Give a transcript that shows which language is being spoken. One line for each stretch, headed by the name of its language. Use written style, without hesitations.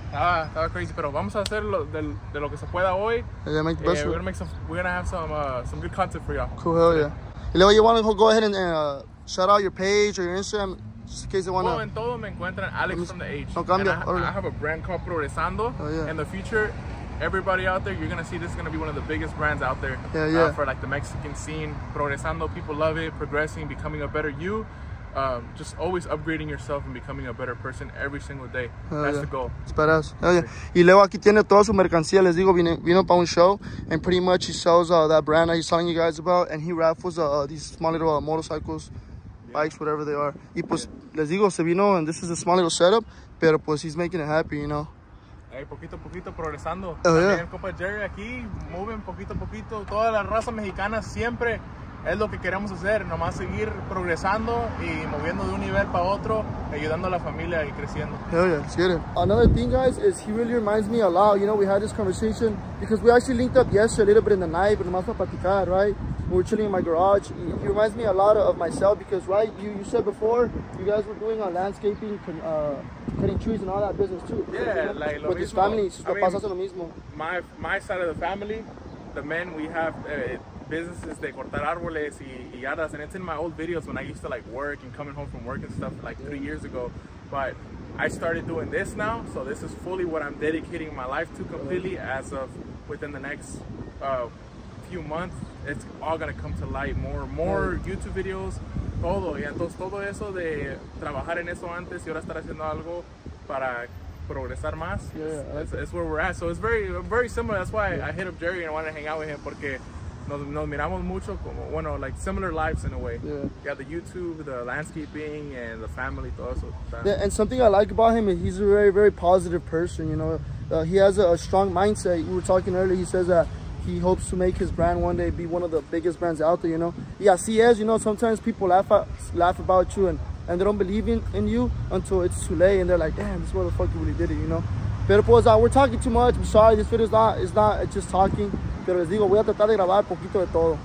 Spanish: Estaba crazy, pero vamos a hacer de lo que se pueda hoy.
English: Yeah, make the best of it. We're gonna make some. We're gonna have some good content for y'all. Cool, hell yeah. You know, you wanna go ahead and shout out your page or your Instagram. Just in case they wanna.
Spanish: Well, en todo me encuentran Alex from the H. No cambia.
English: I have a brand called Progresando. Oh, yeah. In the future, everybody out there, you're gonna see this is gonna be one of the biggest brands out there. Yeah, yeah. For like the Mexican scene, Progresando, people love it. Progressing, becoming a better you. Just always upgrading yourself and becoming a better person every single day. Oh, that's yeah. The goal. Oh, yeah.
Spanish: Y luego aquí tiene toda su mercancía. Les digo, vino para un show,
English: and pretty much he sells that brand that he's telling you guys about, and he raffles these small little motorcycles. bikes, whatever they are.
Spanish: Y pues, les digo, se vino,
English: and this is a small little setup,
Spanish: pero pues
English: he's making it happy, you know.
Spanish: Hey, poquito a poquito progresando. Oh, también, yeah. El compa Jerry aquí, moving poquito a poquito. Toda la raza mexicana siempre es lo que queremos hacer, nomás seguir progresando y moviendo de un nivel para otro, ayudando a la familia y creciendo.
English: Hell yeah, let's get it. Another thing, guys, is he really reminds me a lot. You know, we had this conversation because we actually linked up yesterday a little bit in the night,
Spanish: pero nomás para platicar,
English: right? We were chilling in my garage. He reminds me a lot of myself because, right, you said before you guys were doing on landscaping, cutting trees and all that business too. Yeah, right? Like with his family,
Spanish: pasando lo mismo.
English: My side of the family, the men, we have businesses
Spanish: de cortar árboles y yardas,
English: and it's in my old videos when I used to like work and coming home from work and stuff like 3 years ago. But I started doing this now, so this is fully what I'm dedicating my life to completely as of within the next few months. It's all gonna come to light, more YouTube videos, todo.
Spanish: Y entonces todo eso de trabajar en eso antes y ahora estar haciendo algo para progresar más,
English: it's where we're at. So it's very, very similar. That's why I hit up Jerry and wanted to hang out with him,
Spanish: porque nos miramos mucho, como, bueno,
English: like similar lives in a way. Yeah. Yeah, the YouTube, the landscaping, and the family, todo eso. Yeah, and something I like about him is he's a very, very positive person, you know. He has a strong mindset. We were talking earlier, he says that he hopes to make his brand one day be one of the biggest brands out there, you know. Yeah, see, as you know, sometimes people laugh about you and they don't believe in you until it's too late and they're like, damn, this motherfucker really did it, you know.
Spanish: Pero pues,
English: we're talking too much. I'm sorry, this video is not just talking.
Spanish: Pero les digo, voy a tratar de grabar poquito de todo.